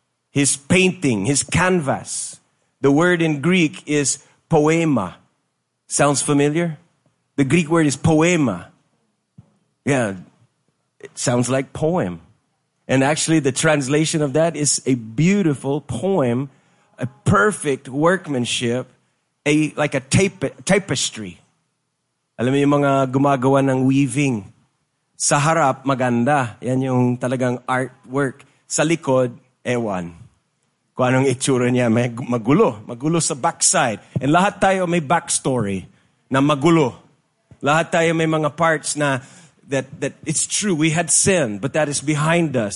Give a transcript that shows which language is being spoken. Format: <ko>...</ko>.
<en>His painting, His canvas. The word in Greek is poema. Sounds familiar? The Greek word is poema. Yeah, it sounds like poem. And actually the translation of that is a beautiful poem, a perfect workmanship, like a tapestry.</en> <tl>Alam mo yung mga gumagawa ng weaving. Sa harap, maganda. Yan yung talagang artwork. Sa likod, ewan. Kung anong itsura niya, magulo. Magulo sa backside. And lahat tayo may backstory na magulo. Lahat tayo may mga parts na</tl> <en>that it's true, we had sin, but that is behind us.</en>